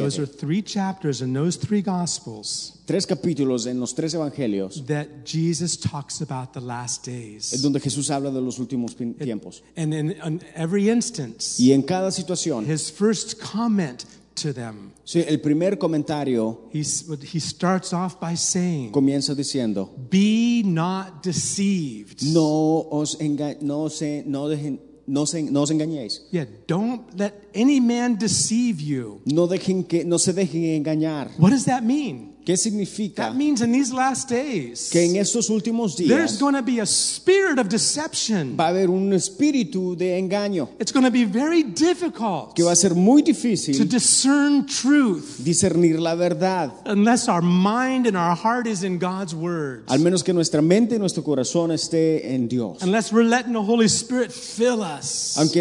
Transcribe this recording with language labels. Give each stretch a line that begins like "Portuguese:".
English: Those are three chapters in those three gospels.
Spanish: Tres capítulos en los tres evangelios.
English: That Jesus talks about the last days.
Spanish: Es donde Jesús habla de los últimos tiempos.
English: And in every instance.
Spanish: Y en cada situación.
English: His first comment to them.
Spanish: Sí, el primer comentario.
English: He starts off by saying.
Spanish: Comienza diciendo.
English: Be not deceived.
Spanish: No os engañéis.
English: Yeah, don't let any man deceive you.
Spanish: No se dejen engañar.
English: What does that mean?
Spanish: ¿Qué significa?
English: That means in these last days.
Spanish: Que en estos últimos días.
English: There's going to be a spirit of deception.
Spanish: Va a haber un espíritu de engaño.
English: It's going to be very difficult.
Spanish: Que va a ser muy difícil.
English: To discern truth.
Spanish: Discernir la verdad.
English: Unless our mind and our heart is in God's word.
Spanish: Al menos que nuestra mente y nuestro corazón esté en Dios.
English: Unless we're letting the Holy Spirit fill us.